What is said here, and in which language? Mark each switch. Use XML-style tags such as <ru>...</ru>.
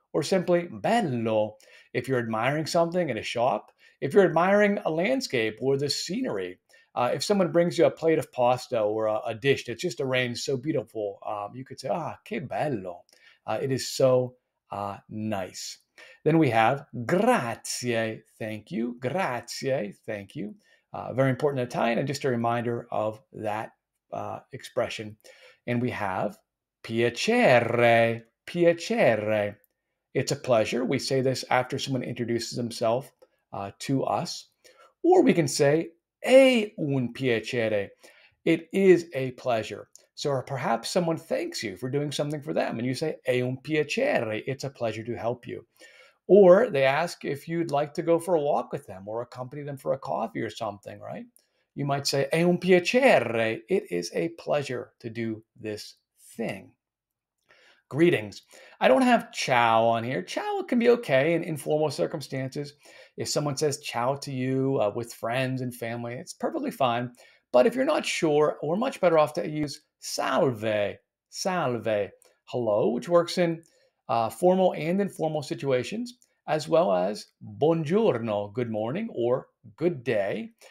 <en>Or simply, bello. If you're admiring something in a shop, if you're admiring a landscape or the scenery, if someone brings you a plate of pasta or a dish that's just arranged so beautiful, you could say, ah,</en> <it>che bello.</it> <en>It is so nice. Then we have</en> <it>grazie,</it> <en>thank you.</en> <it>Grazie,</it> <en>thank you. Very important in Italian, and just a reminder of that expression. And we have</en> <it>piacere, piacere.</it> <en>It's a pleasure. We say this after someone introduces themselves to us. Or we can say,</en> <it>è un piacere.</it> <en>It is a pleasure. So perhaps someone thanks you for doing something for them, and you say,</en> <it>è un piacere.</it> <en>It's a pleasure to help you. Or they ask if you'd like to go for a walk with them or accompany them for a coffee or something, right? You might say,</en> <it>è un piacere.</it> <en>It is a pleasure to do this thing. Greetings. I don't have ciao on here. Ciao can be okay in informal circumstances. If someone says ciao to you with friends and family, it's perfectly fine. But if you're not sure, we're much better off to use</en> <it>salve, salve,</it> <en>hello, which works in formal and informal situations, as well as</en> <it>buongiorno,</it> <en>good morning, or good day.</en>